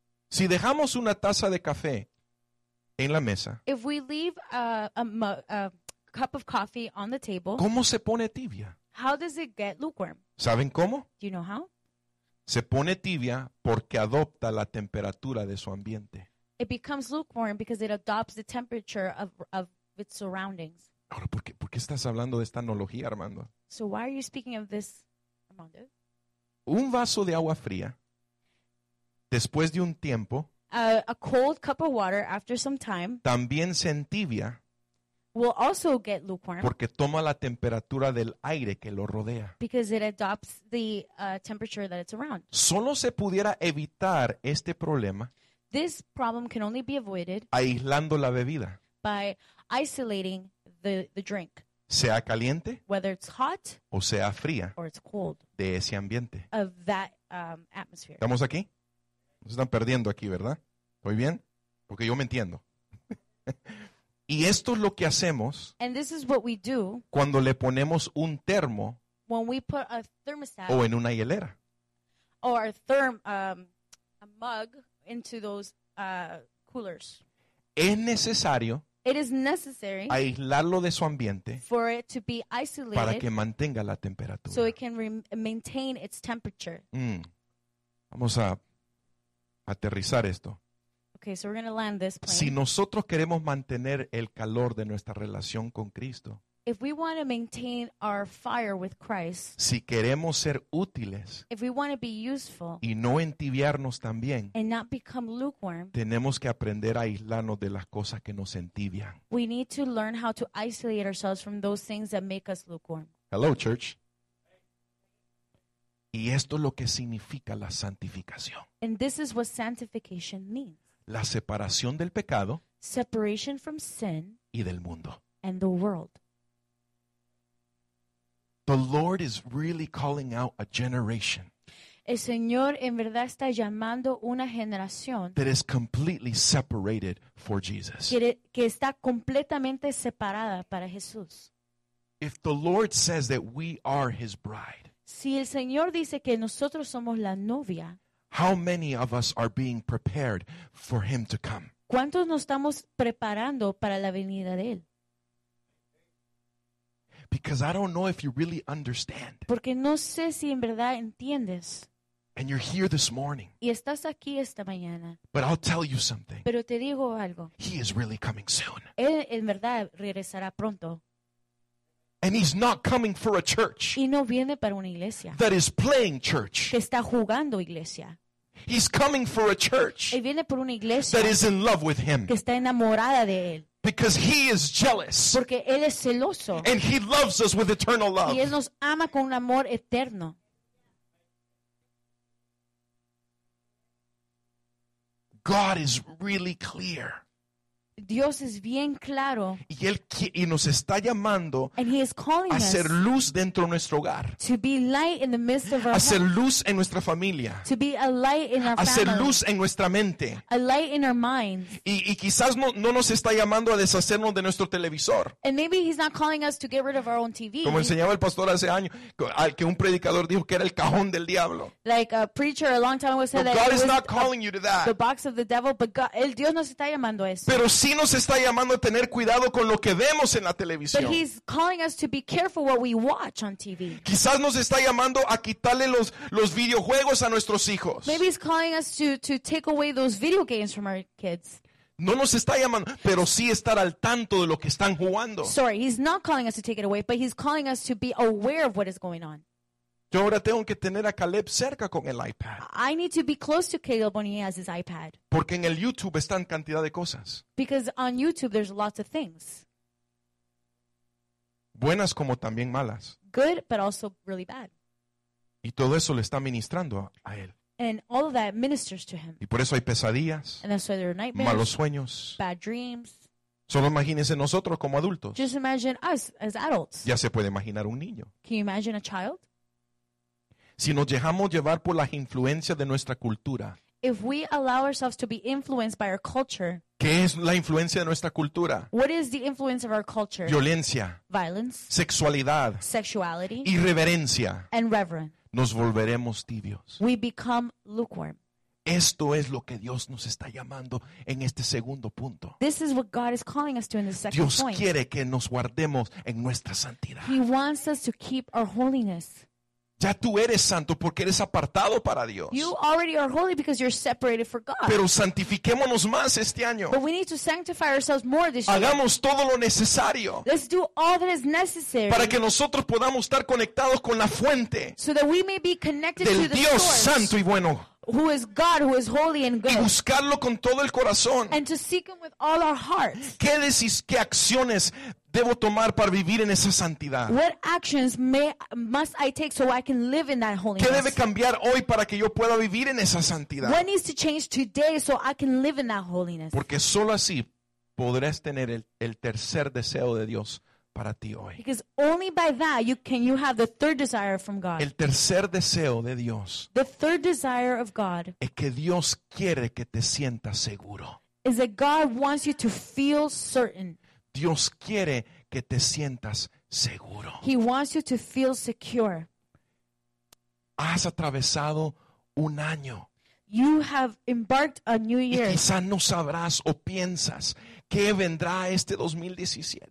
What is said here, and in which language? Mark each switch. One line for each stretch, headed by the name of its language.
Spanish: Si dejamos una taza de café en la mesa,
English: if we leave a cup of coffee on the table,
Spanish: ¿cómo se pone tibia?
English: How does it get lukewarm?
Spanish: ¿Saben cómo?
English: Do you know how?
Spanish: Se pone tibia porque adopta la temperatura de su ambiente.
English: It becomes lukewarm because it adopts the temperature of its surroundings.
Spanish: Ahora, ¿por qué estás hablando de esta analogía, Armando?
English: So why are you speaking of this, Armando?
Spanish: Un vaso de agua fría, después de un tiempo,
English: a cold cup of water after some time,
Spanish: también se entibia,
English: will also get lukewarm,
Spanish: porque toma la temperatura del aire que lo rodea,
English: because it adopts the temperature that it's around.
Spanish: Solo se pudiera evitar este problema.
English: This problem can only be avoided
Spanish: aislando la bebida.
English: By isolating the drink.
Spanish: Sea caliente.
English: Whether it's hot.
Spanish: O sea fría.
English: Or it's cold.
Spanish: De ese ambiente.
English: Of that atmosphere.
Spanish: ¿Estamos aquí? Nos están perdiendo aquí, ¿verdad? ¿Estoy bien? Porque yo me entiendo. Y esto es lo que hacemos.
English: And this is what we do.
Spanish: Cuando le ponemos un termo.
English: When we put a thermostat.
Spanish: O en una hielera.
English: Or a mug. Into those coolers.
Spanish: Es necesario.
English: It is necessary.
Spanish: Aislarlo de su ambiente.
English: For it to be isolated.
Spanish: Para que mantenga la temperatura.
English: So it can maintain its temperature.
Spanish: Vamos a aterrizar esto.
English: Okay, so we're going to land this plane.
Spanish: Si nosotros queremos mantener el calor de nuestra relación con Cristo.
English: If we want to maintain our fire with Christ.
Spanish: Si queremos ser útiles.
English: If we want to be useful.
Spanish: Y no entibiarnos también.
English: And not become lukewarm.
Spanish: Tenemos que aprender a aislarnos de las cosas que nos entibian.
English: We need to learn how to isolate ourselves from those things that make us lukewarm. Hello, church.
Spanish: Y esto es lo que significa la santificación.
English: And this is what sanctification means.
Spanish: La separación del pecado.
English: Separation from sin.
Spanish: Y del mundo.
English: And the world. The Lord is really calling out a generation.
Spanish: El Señor en verdad está llamando una generación
English: that is completely separated for Jesus.
Spanish: Que está completamente separada para Jesús.
English: If the Lord says that we are his bride.
Spanish: Si el Señor dice que nosotros somos la novia.
English: How many of us are being prepared for him to come?
Spanish: ¿Cuántos nos estamos preparando para la venida de él?
English: Because I don't know if you really understand.
Spanish: Porque no sé si en verdad entiendes.
English: And you're here this morning.
Spanish: Y estás aquí esta mañana.
English: But I'll tell you something.
Spanish: Pero te digo algo.
English: He is really coming soon.
Spanish: Él en verdad regresará pronto.
English: And he's not coming for a church.
Spanish: Y no viene para una iglesia.
English: That is playing church.
Spanish: Que está jugando iglesia.
English: He's coming for a church.
Spanish: Y viene por una iglesia.
English: That is in love with him.
Spanish: Que está enamorada de él.
English: Because he is jealous.
Spanish: Porque él es celoso.
English: And he loves us with eternal love.
Spanish: Y él nos ama con un amor eterno.
English: God is really clear.
Spanish: Dios es bien claro. Y él y nos está llamando a ser luz dentro de nuestro hogar.
English: To be light in the midst of our home.
Spanish: A ser luz en nuestra familia.
English: To be a light in our family.
Spanish: A ser luz en nuestra mente.
English: A light in our minds.
Spanish: Y quizás no nos está llamando a deshacernos de nuestro televisor.
English: And maybe he's not calling us to get rid of our own TV.
Spanish: Como enseñaba el pastor hace años, al que un predicador dijo que era el cajón del diablo.
English: Like a preacher a long time ago said that God is not calling you to that. The box of the devil, but God,
Spanish: el Dios nos está llamando a eso. Pero sí nos está llamando a tener cuidado con lo que vemos en la televisión.
English: But he's calling us to be careful what we watch on TV.
Spanish: Quizás nos está llamando a quitarle los videojuegos a nuestros hijos.
English: Maybe he's calling us to take away those video games from our kids.
Spanish: No nos está llamando, pero sí estar al tanto de lo que están jugando.
English: Sorry, he's not calling us to take it away, but he's calling us to be aware of what is going on.
Spanish: Yo ahora tengo que tener a Caleb cerca con el iPad.
English: I need to be close to Caleb when he has his iPad.
Spanish: Porque en el YouTube están cantidad de cosas.
English: Because on YouTube there's lots of things.
Spanish: Buenas como también malas.
English: Good, but also really bad.
Spanish: Y todo eso le está ministrando a él.
English: And all of that ministers to him.
Spanish: Y por eso hay pesadillas.
English: And that's why there are nightmares.
Spanish: Malos sueños.
English: Bad dreams.
Spanish: Solo imagínese nosotros como adultos.
English: Just imagine us as adults.
Spanish: Ya se puede imaginar un niño.
English: Can you imagine a child?
Spanish: Si nos dejamos llevar por las influencias de nuestra cultura.
English: If we allow ourselves to be influenced by our culture.
Spanish: ¿Qué es la influencia de nuestra cultura?
English: What is the influence of our culture?
Spanish: Violencia.
English: Violence.
Spanish: Sexualidad.
English: Sexuality.
Spanish: Irreverencia.
English: And reverence.
Spanish: Nos volveremos tibios.
English: We become lukewarm.
Spanish: Esto es lo que Dios nos está llamando en este segundo punto.
English: This is what God is calling us to in the second point.
Spanish: Dios quiere que nos guardemos en nuestra santidad.
English: He wants us to keep our holiness.
Spanish: Ya tú eres santo porque eres apartado para Dios.
English: You already are holy because you're separated for God.
Spanish: Pero santifiquémonos más este año.
English: But we need to sanctify ourselves more this year.
Spanish: Hagamos todo lo necesario.
English: Let's do all that is necessary.
Spanish: Para que nosotros podamos estar conectados con la fuente.
English: So that we may be connected
Spanish: del
English: to the
Spanish: Dios
English: source.
Spanish: Santo y bueno.
English: Who is God, who is holy and good.
Spanish: Y buscarlo con todo el corazón.
English: And to seek him with all our hearts.
Spanish: ¿Qué decís, qué acciones debo tomar para vivir en esa santidad?
English: What actions must I take so I can live in that holiness?
Spanish: ¿Qué debe cambiar hoy para que yo pueda vivir en esa santidad?
English: What needs to change today so I can live in that holiness?
Spanish: Porque solo así podrás tener el tercer deseo de Dios para ti hoy.
English: Because only by that can you have the third desire from God.
Spanish: El tercer deseo de Dios.
English: The third desire of God.
Spanish: Es que Dios quiere que te sientas seguro.
English: Is that God wants you to feel certain.
Spanish: Dios quiere que te sientas seguro.
English: He wants you to feel secure.
Spanish: Has atravesado un año.
English: You have embarked a new year.
Spanish: Y quizás no sabrás o piensas qué vendrá este 2017.